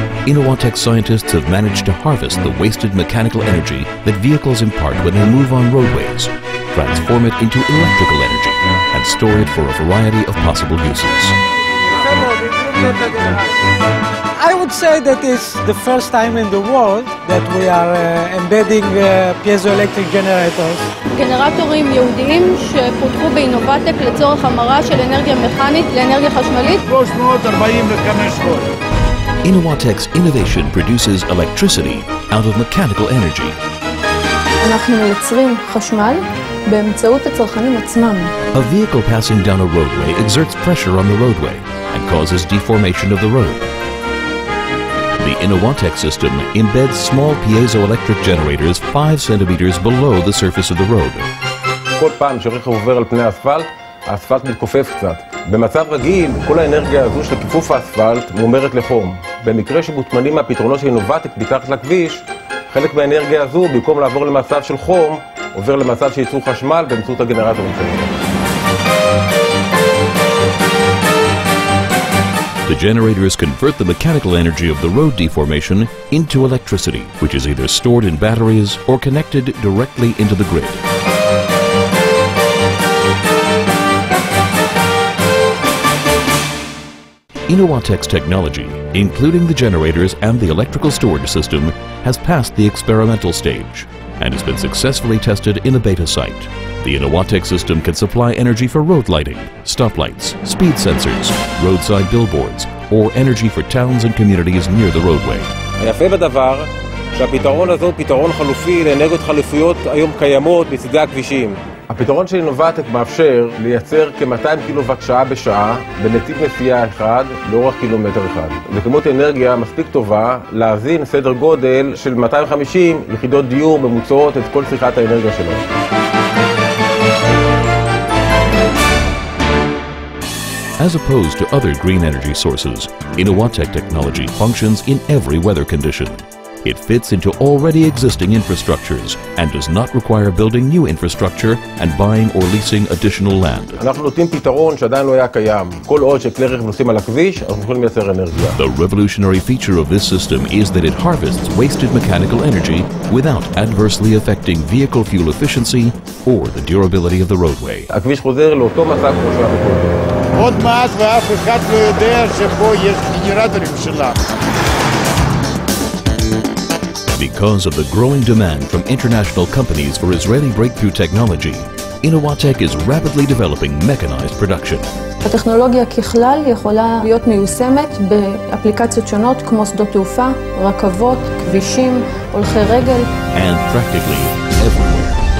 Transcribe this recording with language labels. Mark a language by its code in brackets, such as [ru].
[en] Innovatek scientists have managed to harvest the wasted mechanical energy that vehicles impart when they move on roadways, transform it into electrical energy, and store it for a variety of possible uses. I would say that it's the first time in the world that we are embedding piezoelectric generators. [he] גנרטורים יהודיים שפותחו באינובטק לצורך המרה של אנרגיה מכנית לאנרגיה חשמלית. 345. [en] Innovatek's innovation produces electricity out of mechanical energy. [he] אנחנו מייצרים חשמל באמצעות הצרכנים עצמם. [en] A vehicle passing down a roadway exerts pressure on the roadway and causes deformation of the road. The Innovatek system embeds small piezoelectric generators 5 centimeters below the surface of the road. [he] כל פעם שרכב עובר על פני אספלט, האספלט מתכופף קצת. במצב רגיל, כל האנרגיה הזו של כיפוף האספלט מומרת לחום. במקרה שמוטמנים מהפתרונות של אינובטק מתחת לכביש, חלק מהאנרגיה הזו, במקום לעבור למצב של חום, עובר למצב של ייצור חשמל באמצעות הגנרטור שלנו. [en] The generators convert the mechanical energy of the road deformation into electricity, which is either stored in batteries or connected directly into the grid. Innovatek's technology, including the generators and the electrical storage system, has passed the experimental stage and has been successfully tested in a beta site. The Innovatek system can supply energy for road lighting, stoplights, speed sensors, roadside billboards, or energy for towns and communities near the roadway. [he] היפה בדבר שהפתרון הזה הוא פתרון חלופי לאנרגיות חלופיות היום קיימות בצדי הכבישים. הפתרון של אינובטק מאפשר לייצר כ-200 קילוואט שעה בשעה בנתיב נסיעה אחד לאורך קילומטר אחד. וכמות אנרגיה מספיק טובה להזין סדר גודל של 250 יחידות דיור ממוצעות את כל צריכת האנרגיה שלו. [en] As opposed to other green energy sources, Innovatek technology functions in every weather condition. It fits into already existing infrastructures and does not require building new infrastructure and buying or leasing additional land. [he] אנחנו נותנים פתרון שעדיין לא היה קיים. כל עוד שכלי רכב נוסעים על הכביש, אנחנו יכולים לייצר אנרגיה. [en] The revolutionary feature of this system is that it harvests wasted mechanical energy without adversely affecting vehicle fuel efficiency or the durability of the roadway. [he] הכביש חוזר לאותו מצב כמו שהיה קודם. עוד מעט ואף אחד לא יודע שפה יש גנרטורים שלנו. [en] Because of the growing demand from international companies for Israeli breakthrough technology, Innovatek is rapidly developing mechanized production. [he] הטכנולוגיה ככלל יכולה להיות מיושמת באפליקציות שונות כמו שדות תעופה, רכבות, כבישים, הולכי רגל. [en] And practically everywhere.